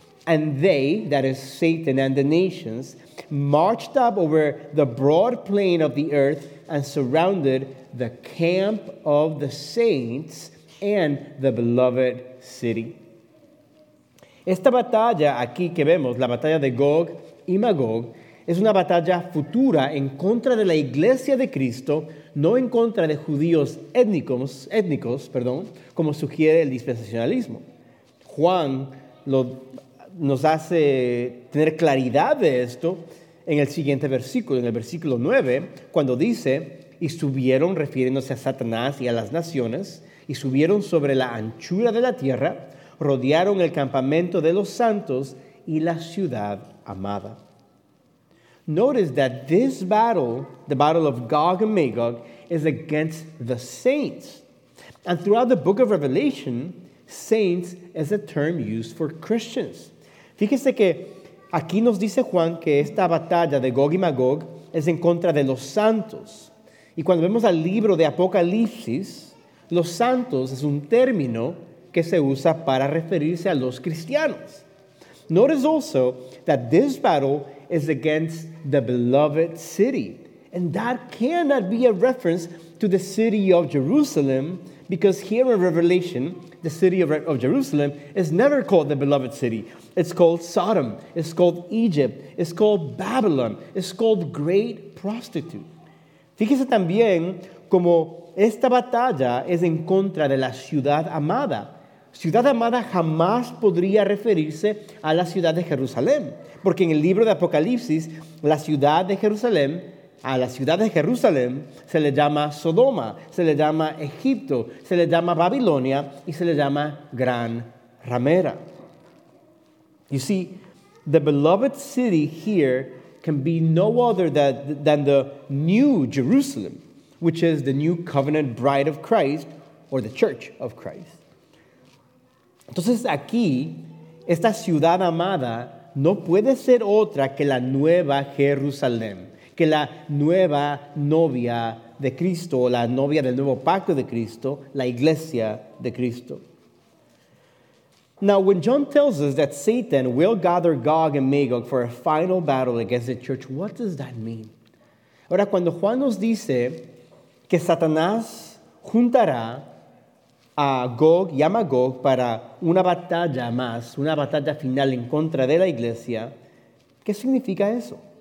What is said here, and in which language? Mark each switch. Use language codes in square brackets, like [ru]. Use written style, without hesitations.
[en] "And they," that is Satan and the nations, "marched up over the broad plain of the earth and surrounded the camp of the saints and the beloved city." [es] Esta batalla aquí que vemos, la batalla de Gog y Magog, es una batalla futura en contra de la iglesia de Cristo, no en contra de judíos étnicos, como sugiere el dispensacionalismo. Juan nos hace tener claridad de esto en el siguiente versículo, en el versículo 9, cuando dice, y subieron, refiriéndose a Satanás y a las naciones, y subieron sobre la anchura de la tierra, rodearon el campamento de los santos y la ciudad amada. [en] Notice that this battle, the battle of Gog and Magog, is against the saints. And throughout the book of Revelation, saints is a term used for Christians. [es] Fíjese que aquí nos dice Juan que esta batalla de Gog y Magog es en contra de los santos. Y cuando vemos al libro de Apocalipsis, los santos es un término que se usa para referirse a los cristianos. [en] Notice also that this battle is against the beloved city. And that cannot be a reference to the city of Jerusalem, because here in Revelation, the city of Jerusalem is never called the beloved city. It's called Sodom. It's called Egypt. It's called Babylon. It's called great prostitute. [es] Fíjese también como esta batalla es en contra de la ciudad amada. Ciudad amada jamás podría referirse a la ciudad de Jerusalén, porque en el libro de Apocalipsis, la ciudad de Jerusalén, a la ciudad de Jerusalén se le llama Sodoma, se le llama Egipto, se le llama Babilonia y se le llama Gran Ramera. [en] You see, the beloved city here can be no other than the new Jerusalem, which is the new covenant bride of Christ, or the church of Christ. [es] Entonces aquí, esta ciudad amada no puede ser otra que la nueva Jerusalén, que la nueva novia de Cristo, o la novia del nuevo pacto de Cristo, la iglesia de Cristo. [en] Now, when John tells us that Satan will gather Gog and Magog for a final battle against the church, what does that mean? [es] Ahora, cuando Juan nos dice que Satanás juntará a Gog y a Magog para una batalla más, una batalla final en contra de la iglesia, ¿qué significa eso?